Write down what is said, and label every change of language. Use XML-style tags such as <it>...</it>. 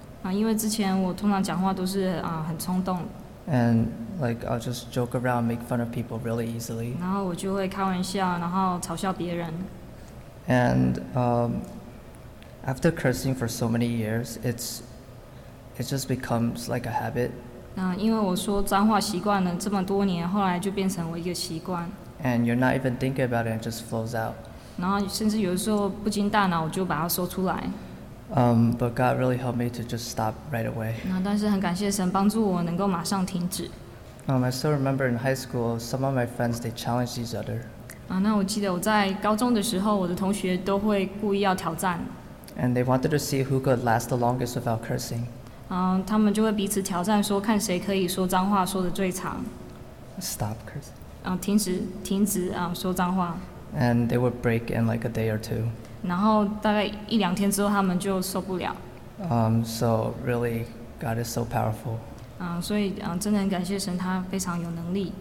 <zh>因为之前我通常讲话都是很冲动。</zh> <en>And like I'll just joke around, make fun of people really easily.</en> <zh>然后我就会开玩笑，然后嘲笑别人。</zh> <en>And after cursing for so many years, it's it just becomes like a habit.</en> <zh>因为我说脏话习惯了这么多年，后来就变成我一个习惯。</zh> <en>And you're not even thinking about it, it just flows out.</en> <zh>然后甚至有的时候不经大脑，我就把它说出来。</zh> <en>But God really helped me to just stop right away.</en> <zh>但是很感谢神帮助我能够马上停止。</zh> <en>I still remember in high school, some of my friends, they challenged each other.</en> <zh>那我记得我在高中的时候，我的同学都会故意要挑战。</zh> <en>And they wanted to see who could last the longest without cursing.</en> <zh>他们就会彼此挑战说看谁可以说脏话说的最长。</zh> <en>Stop cursing.</en> <zh>停止说脏话。</zh> <en>And they would break in like a day or two.</en> <zh>然后大概一两天之后他们就受不了。</zh> <en>So really, God is so powerful.</en> <zh>所以真的很感谢神他非常有能力。</zh>